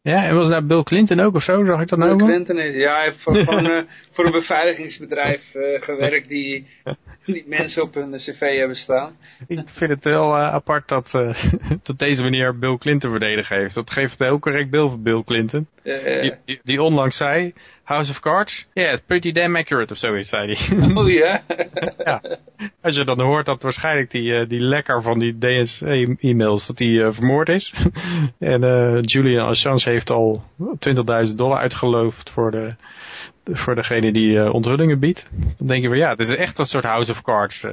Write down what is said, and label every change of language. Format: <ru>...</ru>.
<nl>Ja, en was daar Bill Clinton ook of zo? Zag ik dat Bill nou? Bill Clinton is, ja, hij heeft voor een beveiligingsbedrijf gewerkt die mensen op hun cv hebben staan. Ik vind het wel apart dat tot deze manier Bill Clinton verdedigd heeft. Dat geeft een heel correct beeld van Bill Clinton. Die onlangs zei, House of Cards,</nl> <en>yeah, it's pretty damn accurate</en> <nl>of zoiets, zei hij. Oh ja? Ja. Als je dan hoort dat waarschijnlijk die lekker van die DNC-e-mails, dat die vermoord is. En Julian Assange heeft al $20,000 uitgeloofd voor degene die onthullingen biedt. Dan denk je van ja, het is echt een soort House of Cards.</nl>